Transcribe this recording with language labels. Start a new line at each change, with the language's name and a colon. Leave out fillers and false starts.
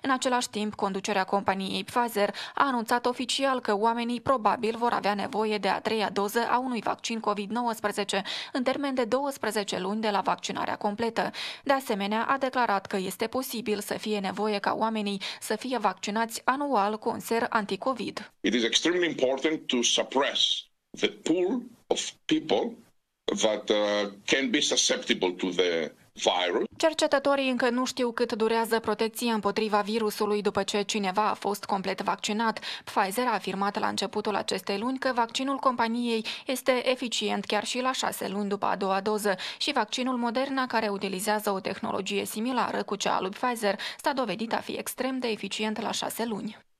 Romanian: În același timp, conducerea companiei Pfizer a anunțat oficial că oamenii probabil vor avea nevoie de a treia doză a unui vaccin COVID-19 în termen de 12 luni de la vaccinarea completă. De asemenea, a declarat că este posibil să fie nevoie ca oamenii să fie vaccinați anual cu un ser anti-COVID.
English: It is extremely important to suppress the pool of people that can be susceptible to the virus.
Romanian: Cercetătorii încă nu știu cât durează protecția împotriva virusului după ce cineva a fost complet vaccinat. Pfizer a afirmat la începutul acestei luni că vaccinul companiei este eficient chiar și la 6 luni după a doua doză și vaccinul Moderna, care utilizează o tehnologie similară cu cea a lui Pfizer, s-a dovedit a fi extrem de eficient la 6 luni.